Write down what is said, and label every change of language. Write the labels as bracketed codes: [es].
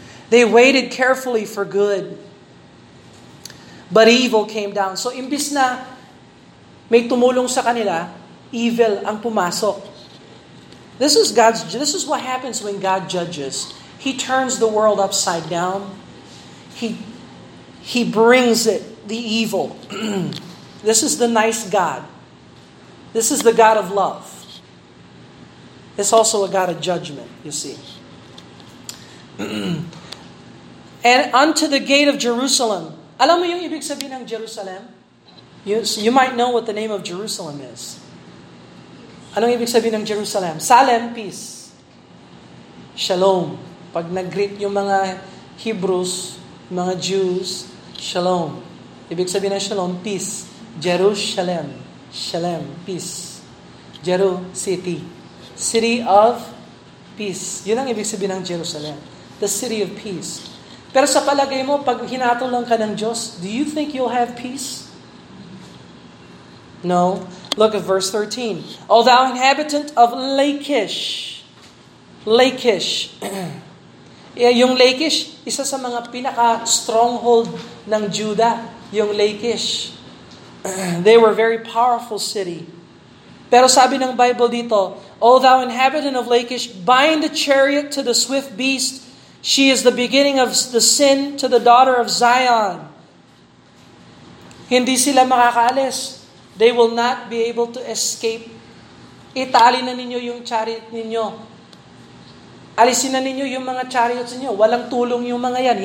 [en] They waited carefully for good. But evil came down. [tl] So imbis na may tumulong sa kanila, evil ang pumasok. [en] This is what happens when God judges. He turns the world upside down. he brings it, the evil. This is the nice God. This is the God of love. It's also a God of judgment, you see. And unto the gate of Jerusalem. [tl] Alam mo yung ibig sabihin ng Jerusalem? [en] You might know what the name of Jerusalem is. [tl] Anong ibig sabihin ng Jerusalem? [en] Salem, peace. Shalom. [tl] Pag nag-greet yung mga Hebrews, mga Jews, shalom. Ibig sabihin ng shalom, peace. Jerusalem. Shalem, peace. [en] Jeru, city. City of peace. [tl] Yun ang ibig sabihin ng Jerusalem. [en] The city of peace. [tl] Pero sa palagay mo, pag hinatulong ka ng Diyos, [en] do you think you'll have peace? No. Look at verse 13. O thou inhabitant of Lachish. Lachish. [tl] Yung Lachish, isa sa mga pinaka-stronghold ng Judah. Yung Lachish. [en] They were a very powerful city. [tl] Pero sabi ng Bible dito, [en] O thou inhabitant of Lachish, bind the chariot to the swift beast. She is the beginning of the sin to the daughter of Zion. [tl] Hindi sila makakaalis. [en] They will not be able to escape. [tl] Itali na ninyo yung chariot ninyo. Alisin na ninyo yung mga chariots ninyo. Walang tulong yung mga yan.